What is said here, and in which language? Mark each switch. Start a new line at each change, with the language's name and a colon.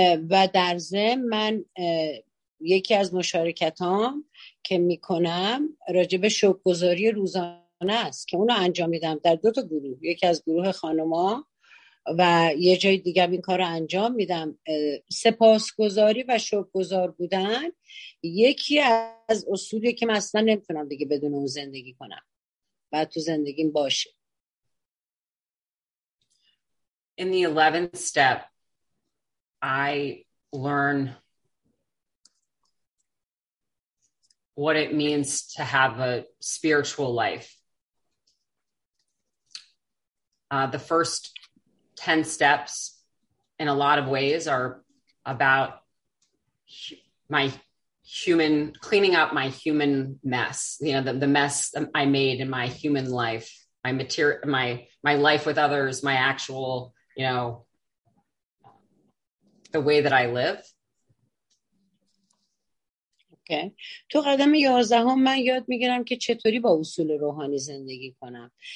Persian: و در ضمن من یکی از مشارکتام که میکنم راجع به شکرگزاری روزانه است که اونو انجام میدم در دو تا گروه، یکی از گروه خانما و یه جای دیگه این کار رو انجام میدم. سپاسگزاری و شکرگزار بودن یکی از اصولی که من اصلا نمیتونم دیگه بدون اون زندگی کنم و تو زندگیم باشه.
English: In the 11th step, I learn what it means to have a spiritual life. The first 10 steps in a lot of ways are about my human, cleaning up my human mess, you know, the mess I made in my human life, my material, my life with others, my actual, you know, the way that I live. Okay.
Persian: تو قدم 11 هم من یاد میگیرم که چطوری با اصول روحانی زندگی کنم.